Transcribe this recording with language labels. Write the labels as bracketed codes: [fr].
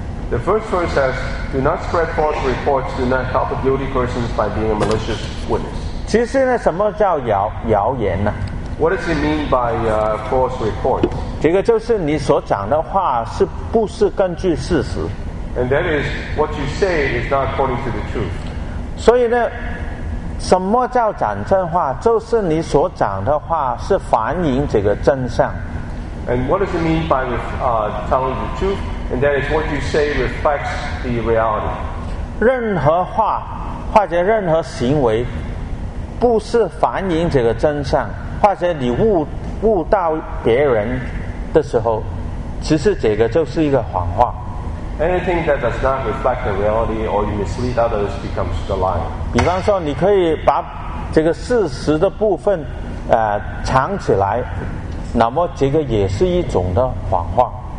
[en] The first verse says, "Do not spread false reports. Do not help a guilty person by being a malicious witness." [zh] 其实呢，什么叫谣言呢？ [en] What does it mean by false reports? [zh] 这个就是你所讲的话是不是根据事实。 [en] And that is what you say is not according to the truth. [zh] 所以呢，什么叫讲真话？就是你所讲的话是反映这个真相。 [en] And what does it mean by telling the truth? And that is what you say reflects the reality. [zh] 任何话或者任何行为，不是反映这个真相，或者你误导别人的时候，其实这个就是一个谎话。 [en] Anything that does not reflect the reality or you mislead others becomes the lie. [zh] 比方说，你可以把这个事实的部分藏起来，那么这个也是一种的谎话。